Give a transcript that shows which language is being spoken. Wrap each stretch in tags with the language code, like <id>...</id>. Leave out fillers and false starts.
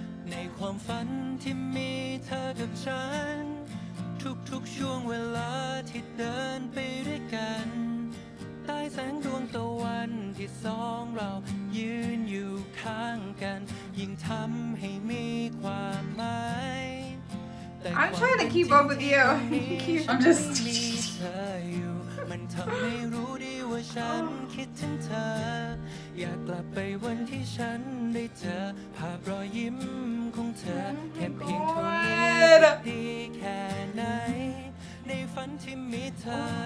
<th>ในความฝันที่มีเธอกับฉันทุกๆช่วงเวลาที่เดินไปด้วยกันใต้แสงดวงตะวันที่สองเรายืนอยู่ข้างกันยิ่งทำให้มีความหมาย แต่</th> <en>I'm trying to keep up with you I'm just</en> <th>มีเธออยู่มันทำให้รู้ดีว่าฉันคิดถึงเธออยากกลับไปวันที่ฉันได้เจอภาพรอยยิ้มของเธอแค่เพียงเท่านี้ดีแค่ไหนในฝันที่มีเธอ</th>